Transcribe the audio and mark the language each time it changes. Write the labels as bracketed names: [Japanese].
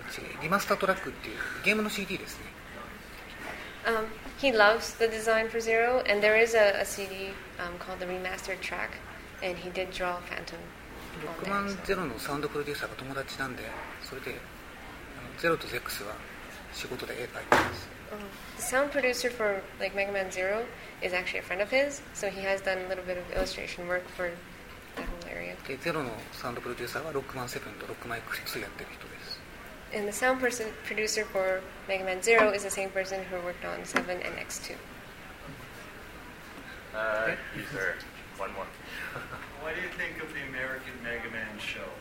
[Japanese] ゼロのデザイン気に入ってますかって書いたことありますかロックマンゼロのデザインは大好きですロックマンゼロのリマスタートラックっていうのが日本でCDが出てるんですがそれにファントムと書いてます私がリマスタートラックっていうゲームのCDですね [English] He loves the design for Zero and there is a CD called the Remastered Track and he did draw Phantom [Japanese] ロックマンゼロのサウンドプロデューサーが友達なんで、それであのゼロとゼックスは仕事で絵描いてます。 [English] The sound producer for like Mega Man Zero is actually a friend of his, so he has done a little bit of illustration work for that whole area. [Japanese] でゼロのサウンドプロデューサーはロックマンセブンとロックマンクリスやってる人です。 [English] And the sound person producer for Mega Man Zero is the same person who worked on 7 and X2. User, one more. What do you think of the American Mega Man show?